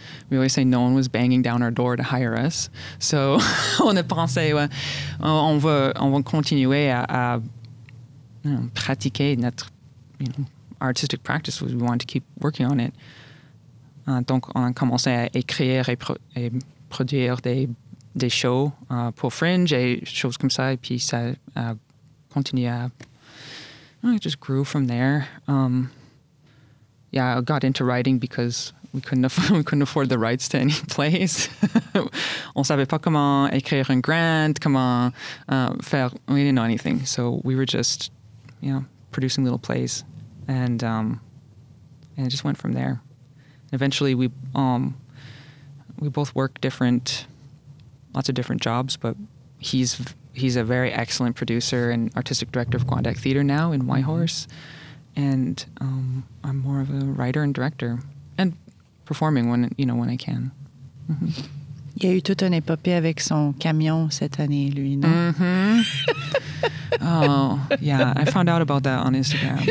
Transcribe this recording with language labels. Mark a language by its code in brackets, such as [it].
[en] We always say no one was banging down our door to hire us. So, [fr] on a pensé, on va continuer à pratiquer notre, [en] you know, artistic practice. We want to keep working on it. [fr] Donc, on a commencé à écrire et produire des shows pour Fringe et choses comme ça. Et puis, ça a continué à... [en] It just grew from there. I got into writing because we couldn't afford the rights to any plays. [fr] On ne savait pas comment écrire un grant, comment faire... [en] We didn't know anything. So, we were just, you know, producing little plays. And it just went from there. eventually we both work different, lots of different jobs, but he's a very excellent producer and artistic director of Guandac Theater now in Whitehorse. And I'm more of a writer and director and performing when I can. [fr] Il y a eu toute une épopée avec son camion cette année, lui, non? Mm-hmm. [en] Oh, yeah, I found out about that on Instagram.